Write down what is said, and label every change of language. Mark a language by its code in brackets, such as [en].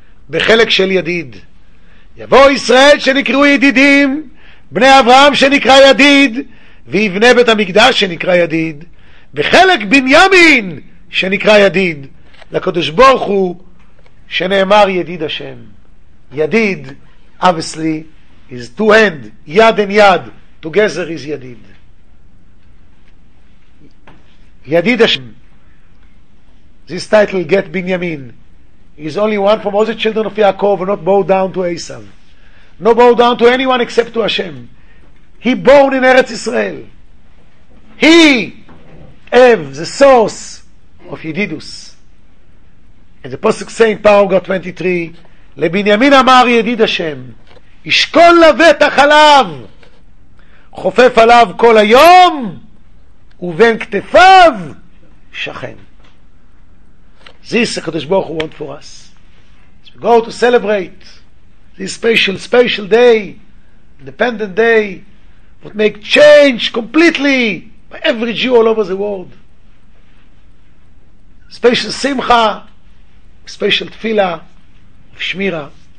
[he] בחלק של ידיד. יבוא ישראל שנקראו ידידים. בני אברהם שנקרא ידיד. ויבנה בית המקדש שנקרא ידיד. בחלק בנימין שנקרא ידיד. לקדוש ברוך הוא שנאמר ידיד השם. [en] ידיד, obviously, is two hand, יד and יד, together is ידיד. [he] ידיד השם. [en] This title, Get Binyamin, is only one from all the children of Yaakov, not bow down to Esav. No bow down to anyone except to Hashem. He born in Eretz Israel. He have the source of Yedidus. And the Pasuk say in Paragraph 23, [he] לבנימין אמר ידיד השם, ישכון לבטח עליו, חופף עליו כל היום, ובין כתפיו שכן. [en] This הקדוש ברוך הוא want for us. So we go to celebrate this special day, independent day, would make change completely by every Jew all over the world. Special simcha, special tefillah of shmira.